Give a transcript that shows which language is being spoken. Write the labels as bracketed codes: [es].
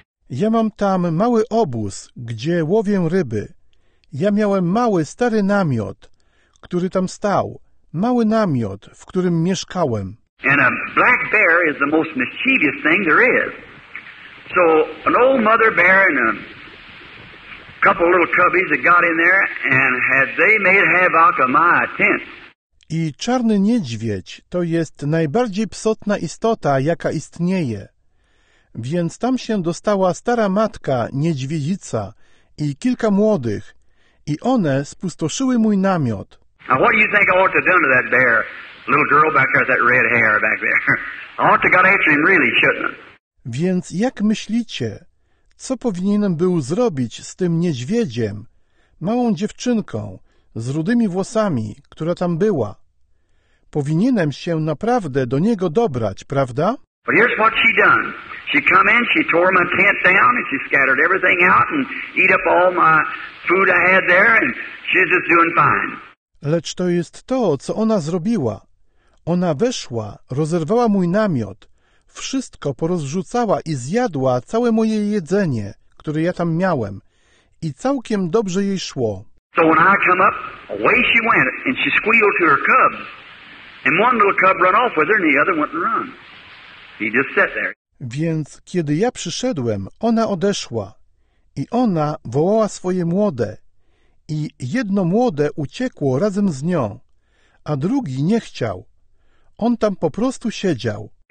[pl] Ja mam tam mały obóz, gdzie łowię ryby. Ja miałem mały, stary namiot, który tam stał. Mały namiot, w którym mieszkałem. [en] And a black bear is the most mischievous thing there is. So an old mother bear and a couple little cubbies that got in there and had they made havoc of my tent. [pl] I czarny niedźwiedź to jest najbardziej psotna istota, jaka istnieje. Więc tam się dostała stara matka, niedźwiedzica i kilka młodych i one spustoszyły mój namiot. [en] Now what do you think I ought to have done to that bear? Little girl back there with that red hair back there. I ought to got after him, really, shouldn't I? [pl] Więc jak myślicie, co powinienem był zrobić z tym niedźwiedziem, małą dziewczynką z rudymi włosami, która tam była? Powinienem się naprawdę do niego dobrać, prawda? [en] But here's what she done. She come in, she tore my tent down, and she scattered everything out and eat up all my food I had there, and she's just doing fine. [pl] Lecz to jest to, co ona zrobiła. Ona weszła, rozerwała mój namiot, wszystko porozrzucała i zjadła całe moje jedzenie, które ja tam miałem. I całkiem dobrze jej szło. [en] So when I come up, away she went, and she squealed to her cubs. And one little cub run off with her, and the other went and run. He just sat there. [pl] Więc kiedy ja przyszedłem, ona odeszła. I ona wołała swoje młode. I jedno młode uciekło razem z nią, a drugi nie chciał. On tam po prostu siedział.